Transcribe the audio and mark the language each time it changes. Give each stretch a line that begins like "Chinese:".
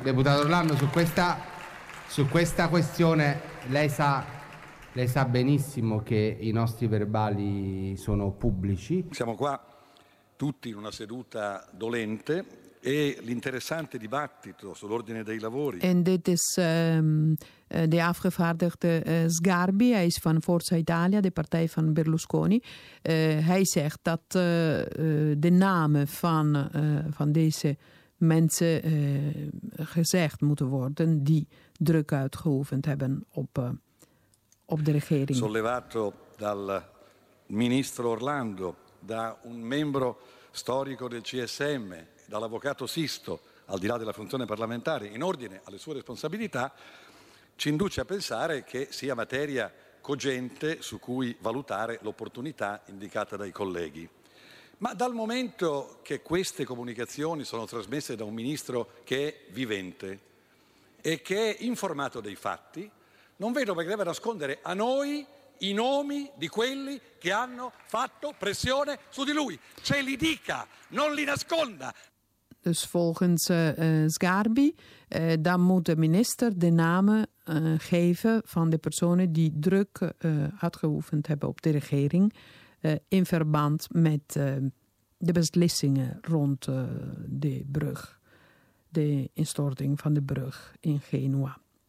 Italian: Deputato Orlando, su questa questione lei sa benissimo che i nostri verbali sono pubblici. Siamo qua tutti in una seduta dolente e l'interessante dibattito sull'ordine dei lavori.
English: And it is
Dutch: de afgevaardigde Sgarbi, hij is van Forza Italia, de partij van Berlusconi. Hij zegt dat de namen van deze mensen gezegd moeten worden die druk uitgeoefend hebben op de regering.
Italian: Sollevato dal ministro Orlando, da un membro storico del CSM, dall'avvocato Sisto, al di là della funzione parlamentare, in ordine alle sue responsabilità, ci induce a pensare che sia materia cogente su cui valutare l'opportunità indicata dai colleghi. Ma dal momento che queste comunicazioni sono trasmesse da un ministro che è vivente e che è informato dei fatti, non vedo perché deve nascondere a noi i nomi di quelli che hanno fatto pressione su di lui. Ce li dica, non li nasconda.
Dutch: Dus volgens Sgarbi, dan moet de minister de namen geven van de personen die druk uitgeoefend hebben op de regering in verband met de beslissingen rond de brug, de instorting van de brug in Genua.